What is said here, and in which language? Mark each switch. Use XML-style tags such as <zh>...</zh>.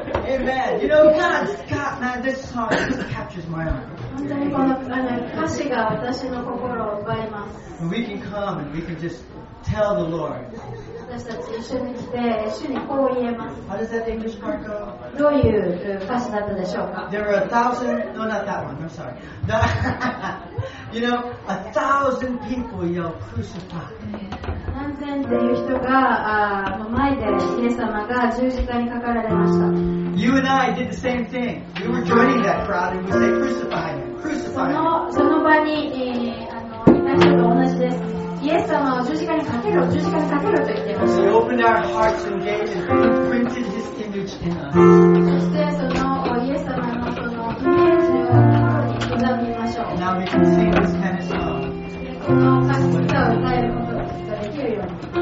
<en>Amen. You know, God, man, this song just captures my heart.</en> <ja>本当にこの歌詞が私の心を奪います。</ja> <en>We can come and we can just tell the Lord.</en> <ja>私たち一緒に来て主にこう言えます。</ja> <en>How does that English part go?</en> <ja>どういう歌詞だったでしょうか</ja> <en>There were a thousand, no not that one, I'm sorry. The, you know, a thousand people yell crucify.</en> <ja>何千っていう人が前でイエス様が十字架にかかられました。</ja> <en>You and I did the same thing. We were joining that crowd and we say crucify him, crucify him.</en> <ja>その場にいた人と同じです。イエス様を十字架にかけろ、十字架にかけろと言っています。</ja> <en>He opened our hearts and gave and imprinted his image in us.</en> <ja>そしてそのイエス様のそのイメージを心に刻みましょう。</ja> <en>Now we can sing this kind of song.</en> <ja>この歌詞を歌えることができるように。</ja>